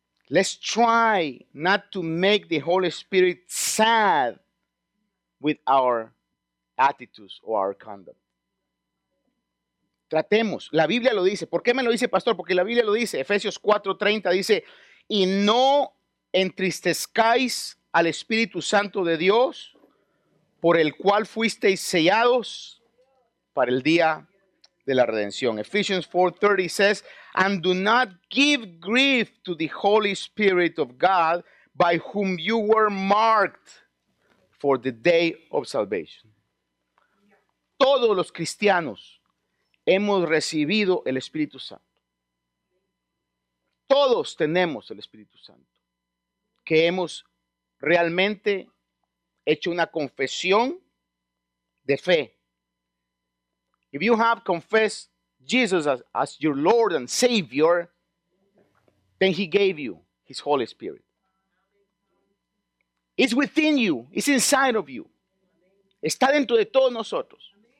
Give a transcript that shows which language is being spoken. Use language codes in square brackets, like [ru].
[en] Let's try not to make the Holy Spirit sad with our attitudes or our conduct. [es] Tratemos, la Biblia lo dice. ¿Por qué me lo dice, pastor? Porque la Biblia lo dice. Efesios 4:30 dice, y no entristezcáis al Espíritu Santo de Dios, por el cual fuisteis sellados para el día de la redención. [en] Ephesians 4:30 says, and do not give grief to the Holy Spirit of God, by whom you were marked for the day of salvation. [es] Todos los cristianos hemos recibido el Espíritu Santo. Todos tenemos el Espíritu Santo, que hemos realmente hecho una confesión de fe. [en] If you have confessed Jesus as your Lord and Savior, then He gave you His Holy Spirit. It's within you. It's inside of you. [es] Está dentro de todos nosotros.